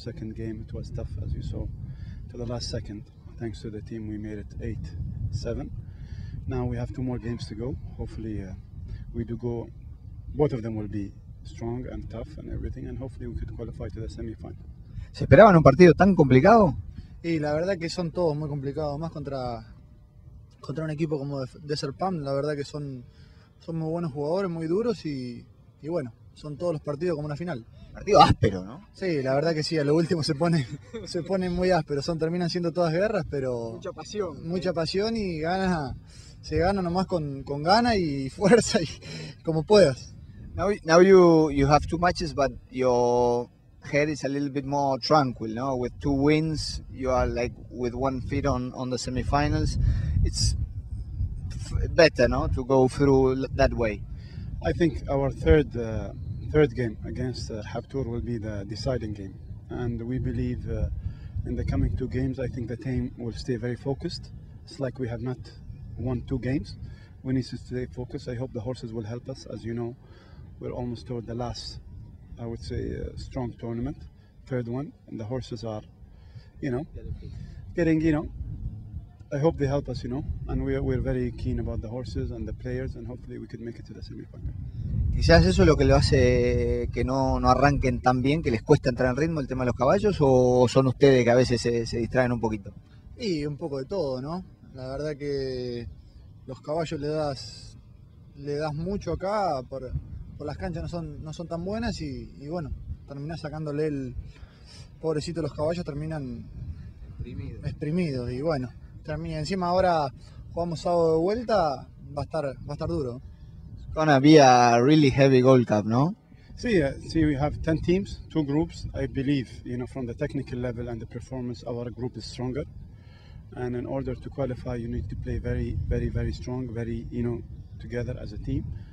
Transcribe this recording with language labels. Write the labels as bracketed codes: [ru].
[en] Second game, it was tough, as you saw, to the last second. Thanks to the team, we made it 8-7. Now we have two more games to go. Hopefully we do go, both of them will be strong and tough and everything, and hopefully we could qualify to the semi-final. [es] ¿Se esperaban un partido tan complicado? Y la verdad que son todos muy complicados, más contra un equipo como Desert Palm. La verdad que son muy buenos jugadores, muy duros y bueno, son todos los partidos como una final. Partido áspero, ¿no? Sí, la verdad que sí, a lo último se pone muy áspero, terminan siendo todas guerras, pero... Mucha pasión. Mucha pasión y ganas, se gana nomás con ganas y fuerza y como puedas. [en] Now you have two matches, but your head is a little bit more tranquil, no? With two wins, you are like with one feet on the semifinals. It's better, no? To go through that way. I think our third game against Habtour will be the deciding game, and we believe in the coming two games, I think the team will stay very focused. It's like we have not won two games. We need to stay focused. I hope the horses will help us. As you know, we're almost toward the last, I would say, strong tournament, third one, and the horses are, you know, getting, you know, I hope they help us, you know, and we're very keen about the horses and the players, and hopefully we could make it to the semifinal. [es] Quizás eso es lo que lo hace que no arranquen tan bien, que les cuesta entrar en ritmo el tema de los caballos, o son ustedes que a veces se distraen un poquito. Y un poco de todo, ¿no? La verdad que los caballos le das mucho acá, por las canchas no son tan buenas y bueno, terminás sacándole el pobrecito, los caballos terminan exprimidos y bueno, termina. Encima ahora jugamos sábado de vuelta, va a estar duro. [en] Gonna be a really heavy Gold Cup, no? See, we have 10 teams, two groups. I believe, you know, from the technical level and the performance, our group is stronger. And in order to qualify, you need to play very, very, very strong, very, you know, together as a team.